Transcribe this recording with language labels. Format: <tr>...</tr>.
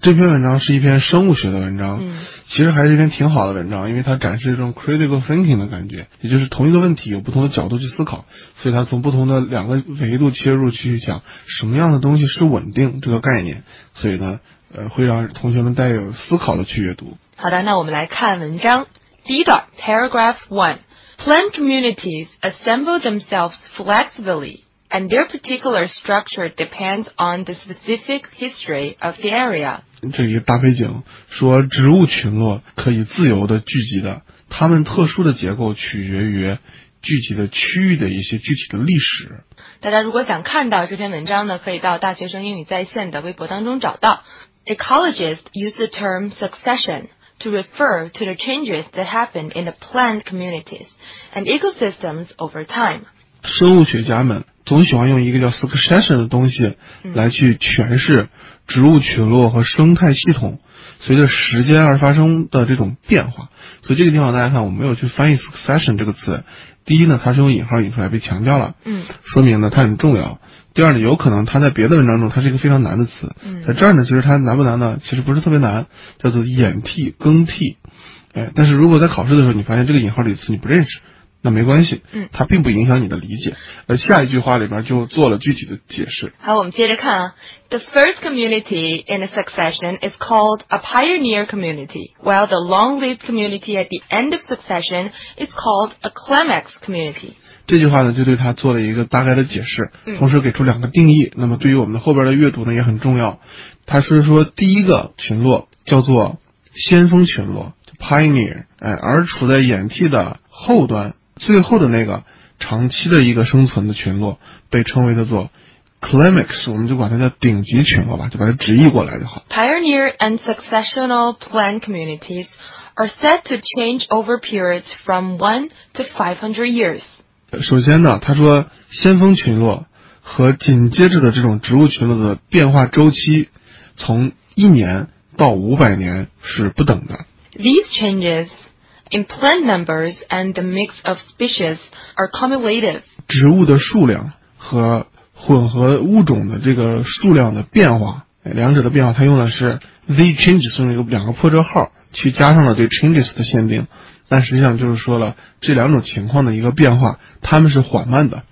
<zh>这篇文章是一篇生物学的文章，其实还是一篇挺好的文章，因为它展示这种 critical thinking 的感觉，也就是同一个问题有不同的角度去思考，所以它从不同的两个维度切入去讲什么样的东西是稳定这个概念，所以呢，会让同学们带有思考的去阅读。好的，那我们来看文章。第一段</zh> <en>paragraph 1， Plant communities assemble themselves flexibly. And their particular structure depends on the specific history of the area.</en> <zh>这里大背景说植物群落可以自由的聚集的，它们特殊的结构取决于聚集的区域的一些具体的历史。大家如果想看到这篇文章呢，可以到大学生英语在线的微博当中找到。</zh> <en>Ecologists use the term succession. To refer to the changes that happen in the plant communities and ecosystems over time.</en> <zh>生物学家们总喜欢用一个叫 succession 的东西来去诠释植物群落和生态系统随着时间而发生的这种变化。所以这个地方大家看，我没有去翻译 succession 这个词。第一呢，它是用引号引出来被强调了，说明呢它很重要。第二呢，有可能它在别的文章中它是一个非常难的词，在这儿呢其实它难不难呢，其实不是特别难，叫做演替更替。但是如果在考试的时候你发现这个引号里的词你不认识，那没关系，它并不影响你的理解，而下一句话里边就做了具体的解释。好，我们接着看啊。</zh> <en>The first community in a succession is called a pioneer community, while the long-lived community at the end of succession is called a climax community.</en> <zh>这句话呢就对它做了一个大概的解释，同时给出两个定义，那么对于我们的后边的阅读呢也很重要。它是说第一个群落叫做先锋群落 pioneer， 而处在演替的后端最后的那个长期的一个生存的群落被称为叫做 climax， 我们就管它叫顶级群落吧，就把它直译过来就好。</zh> <en>Pioneer and successional plant communities are set to change over periods from 1 to 500 years.</en> <zh>首先呢，他说先锋群落和紧接着的这种植物群落的变化周期从一年到500年是不等的。</zh> <en>These changesIn plant numbers and the mix of species are cumulative.</en> <zh>植物的数量和混合物种的这个数量的变化，两者的变化，它用的是 the changes， 用两个破折号去加上了对 changes 的限定，但实际上就是说了这两种情况的一个变化，它们是缓慢的。</zh>